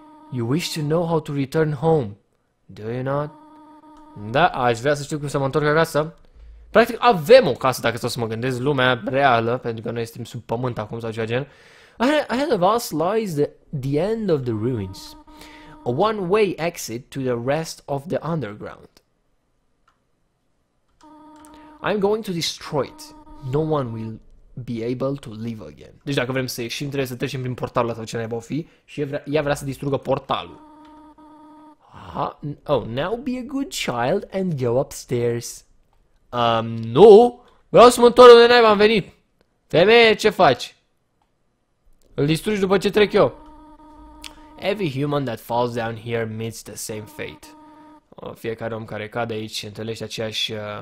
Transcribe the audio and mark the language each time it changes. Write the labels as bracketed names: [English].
[English] You wish to know how to return home, do you not? [Romanian] Da, aș vrea să știu cum să mă întorc acasă. Practic avem o casă, dacă stau să mă gândesc, lumea reală, pentru că noi suntem sub pământ acum sau ceva gen. [English] Ahead of us lies the end of the ruins. A one-way exit to the rest of the underground. I'm going to destroy it. No one will be able to live again. [Romanian] Deci dacă vrem să ieșim, trebuie să trecem prin portalul ăsta, ce naiba o fi, și ea vrea să distrugă portalul. [English] Now be a good child and go upstairs. [Romanian] Nu! Vreau să mă întorc unde naiba am venit! Femeie, ce faci? Îl distrugi după ce trec eu. [English] Every human that falls down here meets the same fate. [Romanian] Fiecare om care cade aici întâlnește aceeași...